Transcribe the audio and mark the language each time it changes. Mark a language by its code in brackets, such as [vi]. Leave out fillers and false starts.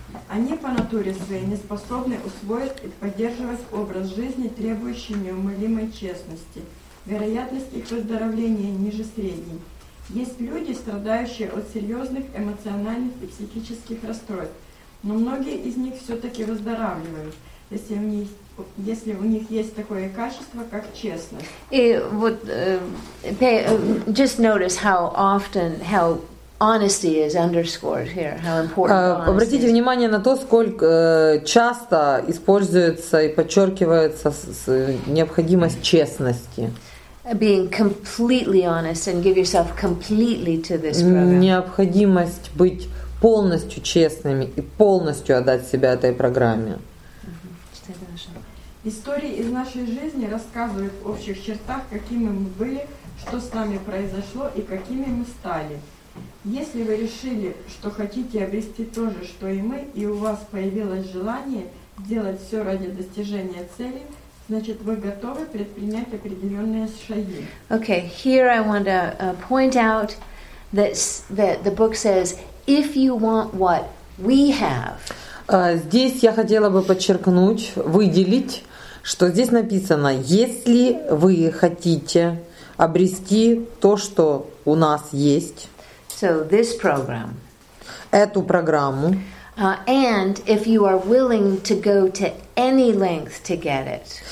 [ru] Они по натуре своей не способны усвоить и поддерживать образ жизни, требующий неумолимой честности. Вероятность их выздоровления ниже средней. Есть люди, страдающие от серьезных эмоциональных и психических расстройств. Но многие из них все-таки выздоравливают. [en] Pay, just notice how often how honesty is underscored here, how important. [ru] Обратите внимание на то, сколько часто используется и подчеркивается необходимость честности. [en] Being completely honest and give yourself completely to this program. [ru] Необходимость быть полностью честными и полностью отдать себя этой программе. Истории из нашей жизни рассказывают в общих чертах, какими мы были, что с нами произошло и какими мы стали. Если вы решили, что хотите обрести то же, что и мы, и у вас появилось желание делать все ради достижения цели, значит, вы готовы предпринять определенные шаги. [en] Okay, here I want to point out that the book says, if you want what we have. [ru] Здесь я хотела бы подчеркнуть, выделить, что здесь написано, если вы хотите обрести то, что у нас есть, [en] so this program, [ru] эту программу, [en] and if you are willing to go to any length to get it,